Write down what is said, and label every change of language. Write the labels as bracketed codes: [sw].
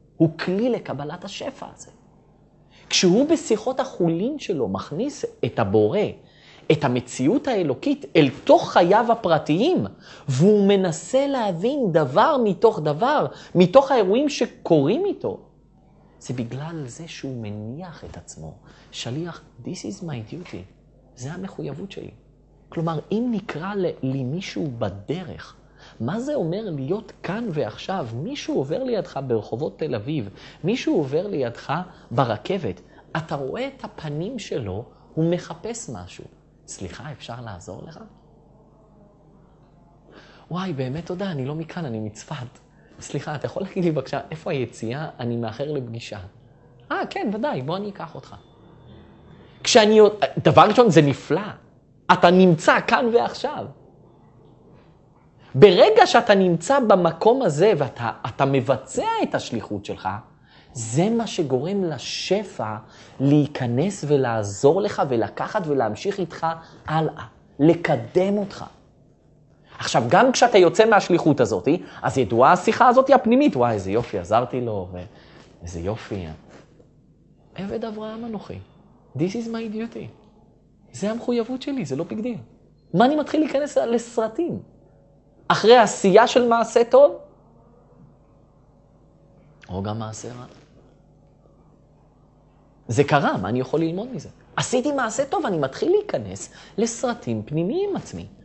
[he] הוא כלי לקבלת השפע הזה. כשהוא בשיחות החולין שלו מכניס את הבורא, את המציאות האלוקית, אל תוך חייו הפרטיים, והוא מנסה להבין דבר מתוך דבר, מתוך האירועים שקורים איתו, זה בגלל זה שהוא מניח את עצמו. [en] שליח, this is my duty. [he] זה המחויבות שלי. כלומר, אם נקרא למישהו בדרך, מה זה אומר להיות כאן ועכשיו? מישהו עובר לידך ברחובות תל אביב, מישהו עובר לידך ברכבת, אתה רואה את הפנים שלו, הוא מחפש משהו. סליחה, אפשר לעזור לך? וואי, באמת תודה, אני לא מכאן, אני מצפת. סליחה, אתה יכול להגיד לי בבקשה, איפה היציאה? אני מאחר לפגישה. כן, ודאי, בוא אני אקח אותך. דבר ראשון, זה נפלא. אתה נמצא כאן ועכשיו. ברגע שאתה נמצא במקום הזה ואתה מבצע את השליחות שלך, זה מה שגורם לשפע להיכנס ולעזור לך ולקחת ולהמשיך איתך הלאה, לקדם אותך. עכשיו, גם כשאתה יוצא מהשליחות הזאת, אז ידועה השיחה הזאת הפנימית, וואי, איזה יופי, עזרתי לו, ואיזה יופי. עבד אברהם אנוכי, [en] this is my duty. [he] זה המחויבות שלי, זה לא בגדיר. מה אני מתחיל להיכנס לסרטים? אחרי עשייה של מעשה טוב? או גם מעשה רע. זה קרה, מה אני יכול ללמוד מזה? עשיתי מעשה טוב, אני מתחיל להיכנס לסרטים פנימיים עצמי.